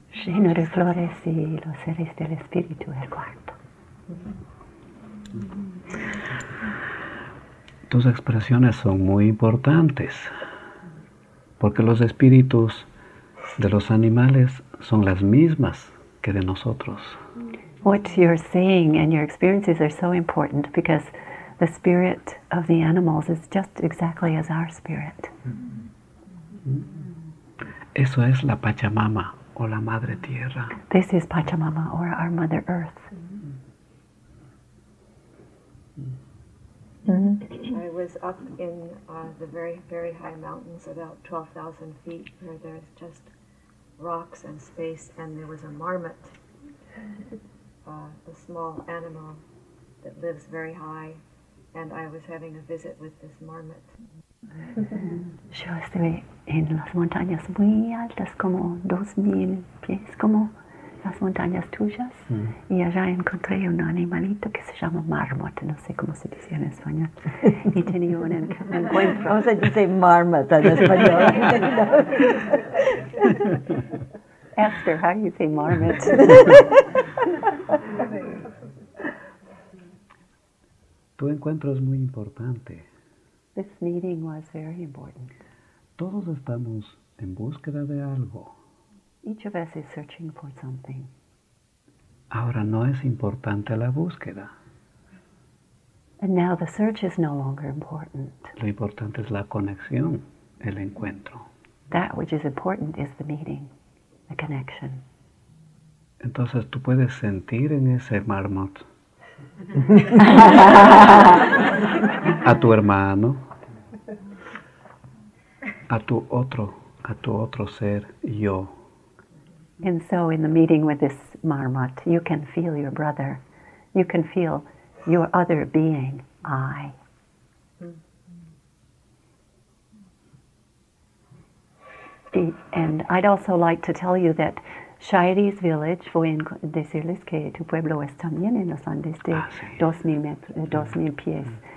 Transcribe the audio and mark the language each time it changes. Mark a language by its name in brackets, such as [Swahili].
[Spanish] Lleno de flores y los seres del espíritu del cuarto. Tus expresiones son muy importantes, porque los espíritus de los animales son las mismas que de nosotros. [English] What you're saying and your experiences are so important because the spirit of the animals is just exactly as our spirit. [Spanish] Eso es la Pachamama o la Madre Tierra. [English] This is Pachamama or our Mother Earth. I was up in the very, very high mountains, about 12,000 feet, where there's just rocks and space, and there was a marmot, a small animal that lives very high. And I was having a visit with this marmot. [Spanish] Yo estuve en las montañas muy altas, como 2,000 pies, como las montañas tuyas. Y allá encontré un animalito que se llama marmot. No sé cómo se dice en español. Y tenía un encuentro. O sea, [English] you say [Spanish] marmot en español. [English] Esther, how do you say marmot? [Spanish] Tu encuentro es muy importante. [English] This meeting was very important. [Spanish] Todos estamos en búsqueda de algo. [English] Each of us is searching for something. [Spanish] Ahora no es importante la búsqueda. [English] And now the search is no longer important. [Spanish] Lo importante es la conexión, el encuentro. [English] That which is important is the meeting, the connection. [Spanish] Entonces tú puedes sentir en ese mármol a tu hermano, a tu otro ser, yo. [English] And so in the meeting with this marmot, you can feel your brother. You can feel your other being, I. And I'd also like to tell you that Shairi's village [Spanish] fue en decirles que tu pueblo es también en los Andes de 2,000 pies.